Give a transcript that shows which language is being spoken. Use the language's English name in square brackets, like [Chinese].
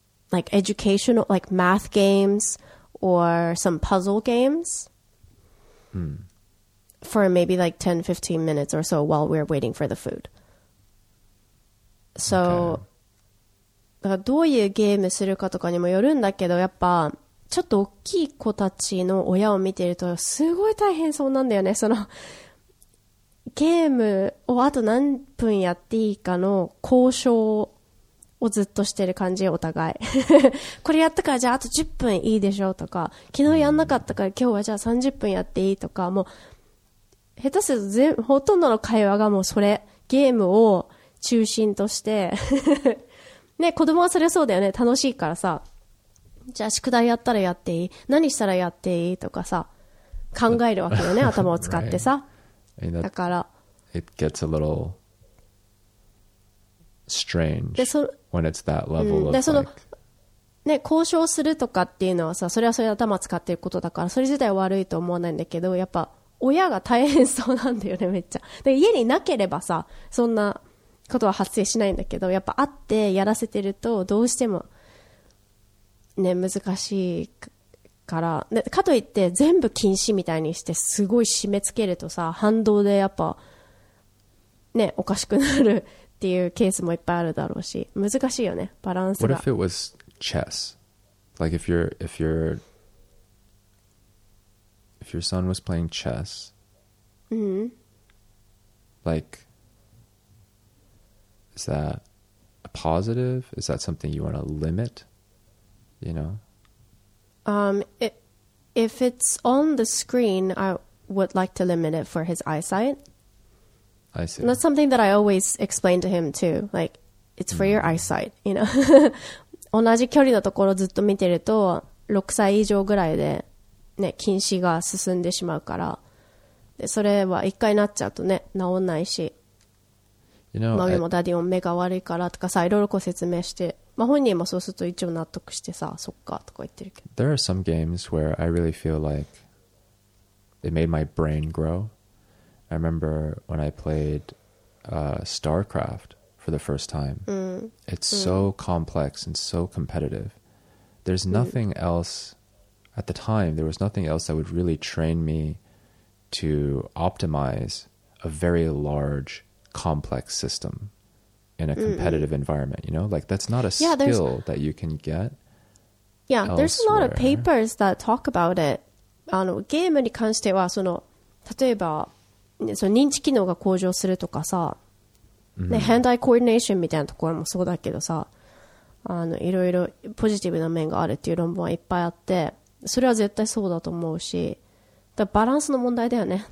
[English] like educational, like math games or some puzzle games for maybe like 10, 15 minutes or so while we're waiting for the food. So, okay. [Japanese] だからどういうゲームするかとかにもよるんだけど、やっぱちょっと大きい子たちの親を見てるとすごい大変そうなんだよね。そのゲームをあと何分やっていいかの交渉をずっとしてる感じ、お互いこれやったからじゃああと10分いいでしょとか、昨日やんなかったから今日はじゃあ30分やっていいとか、もう下手すると全ほとんどの会話がもうそれ、ゲームを中心としてね、子供はそれそうだよね、楽しいからさ、じゃあ宿題やったらやっていい、何したらやっていいとかさ考えるわけよね頭を使ってさ、 [English] right. [Japanese] だから [English] it gets a little strange でそ when it's that level、うん、of でその、like... [Japanese] ね、交渉するとかっていうのはさ、それはそれ頭使ってることだからそれ自体は悪いと思わないんだけど、やっぱ親が大変そうなんだよね、めっちゃ。で家になければさそんなことは発生しないんだけど、やっぱ会ってやらせてるとどうしてもね、難しいから、でかといって全部禁止みたいにしてすごい締め付けるとさ、反動でやっぱね、おかしくなるっていうケースもいっぱいあるだろうし、難しいよね、バランスが。 [English] What if it was chess? Like if your son was playing chess、 mm-hmm. Like is that a positive? Is that something you want to limit? You know? If it's on the screen, I would like to limit it for his eyesight. I see. That's something that I always explain to him too. Like, it's for、mm. your eyesight, you know? [Japanese] 同じ距離のところずっと見てると、6歳以上ぐらいでね、近視が進んでしまうから、でそれは一回なっちゃうとね、治んないし。 [English] You know, [Japanese] マミもダディも目が悪いからとかさ、いろいろこう説明して、まあ、本人もそうすると一応納得してさ、そっかとか言ってるけど。 [English] There are some games where I really feel like it made my brain grow. I remember when I played、StarCraft for the first time.、うん、 It's、うん、so complex and so competitive. There's nothing、うん、else at the time. There was nothing else that would really train me to optimize a very largecomplex system in a competitive、mm-hmm. environment, you know, like that's not a yeah, skill that you can get. Yeah, there's a lot of papers that talk about it. [Japanese] あのゲームに関してはその、例えばその認知機能が向上するとかさ、mm-hmm. ね、hand-eye coordination みたいなところもそうだけどさ、あのいろいろポジティブな面があるっていう論文はいっぱいあって、それは絶対そうだと思うし、バランスの問題だよね。